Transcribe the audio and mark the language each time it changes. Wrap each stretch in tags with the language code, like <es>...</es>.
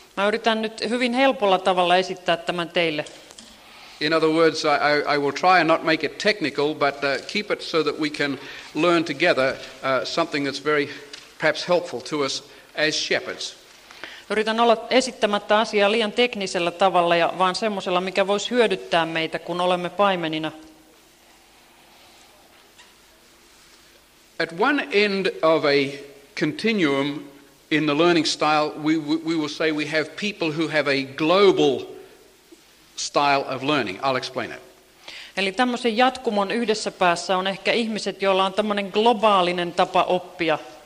<fi>Mä yritän nyt hyvin helpolla tavalla esittää tämän teille.</fi> <en>In other words, I will try and not make it technical, but keep it so that we can learn together something that's very perhaps helpful to us as shepherds.</en> <fi>Yritän olla esittämättä asiaa liian teknisellä tavalla ja vaan semmoisella, mikä voisi hyödyttää meitä, kun olemme paimenina.</fi> <en>At one end of a continuum in the learning style, we will say we have people who have a global style of learning. I'll explain it.</en> <fi>Eli tämmöisen jatkumon yhdessä päässä on ehkä ihmiset, joilla on tämmöinen globaalinen tapa oppia.</fi>